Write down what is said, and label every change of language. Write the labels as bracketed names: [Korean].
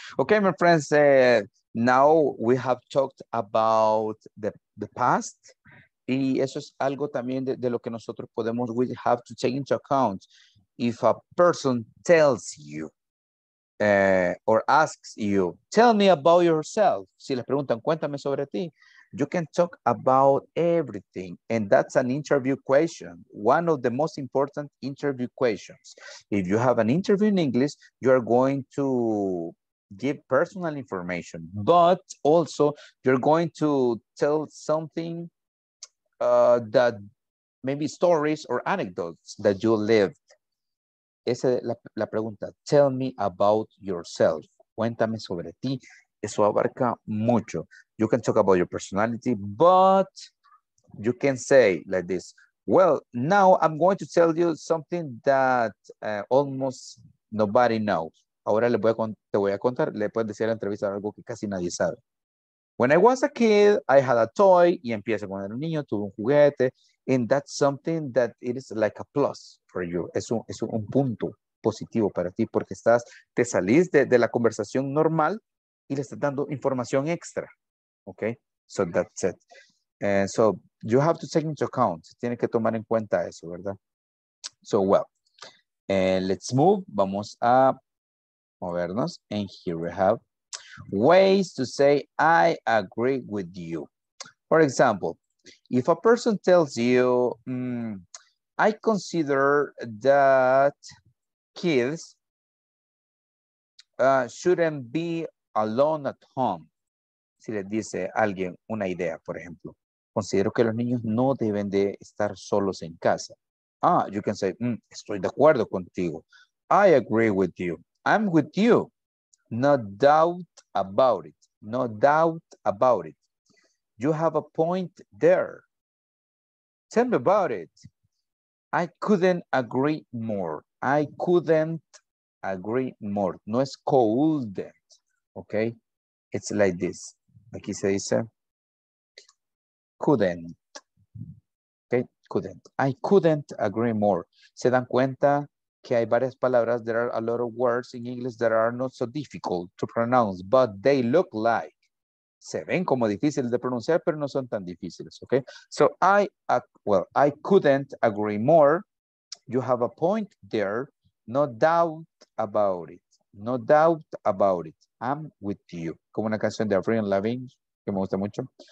[English] Okay, my friends, now we have talked about the past. [Spanish] Y eso es algo también de lo que nosotros podemos, [English] we have to take into account. If a person tells you or asks you, tell me about yourself. [Spanish] Si les preguntan, cuéntame sobre ti. [English] You can talk about everything. And that's an interview question. One of the most important interview questions. If you have an interview in English, you are going to give personal information. But also, you're going to tell something that maybe stories or anecdotes that you lived. [Spanish] Esa es la pregunta. [English] Tell me about yourself. [Spanish] Cuéntame sobre ti. Eso abarca mucho. [English] You can talk about your personality, but you can say like this. Well, now I'm going to tell you something that almost nobody knows. [Spanish] Ahora te voy a contar, le puedes decir a la entrevista algo que casi nadie sabe. [English] When I was a kid, I had a toy, [Spanish] y empieza cuando era un niño, tuve un juguete, [English] and that's something that it is like a plus for you. [Spanish] Es un punto positivo para ti, porque te salís de la conversación normal y le estás dando información extra. [English] Okay, so that's it. So you have to take into account. [Spanish] Tiene que tomar en cuenta eso, ¿verdad? [English] So well, let's move. [Spanish] Vamos a movernos. [English] And here we have ways to say I agree with you. For example, If a person tells you, I consider that kids shouldn't be alone at home. [Spanish] Si les dice alguien una idea, por ejemplo. Considero que los niños no deben de estar solos en casa. [English] Ah, you can say, [Spanish] estoy de acuerdo contigo. [English] I agree with you. I'm with you. No doubt about it. No doubt about it. You have a point there. Tell me about it. I couldn't agree more. I couldn't agree more. No es couldn't. Okay? It's like this. [Spanish] Aquí se dice, couldn't. Okay? Couldn't. [English] I couldn't agree more. [Spanish] ¿Se dan cuenta que hay varias palabras? [English] There are a lot of words in English that are not so difficult to pronounce, but they look like. [Spanish] Se ven como difíciles de pronunciar, pero no son tan difíciles, ¿ok? [English] So, I couldn't agree more. You have a point there. No doubt about it. No doubt about it. I'm with you. [Spanish] Como una canción de Avril Lavigne, que me gusta mucho.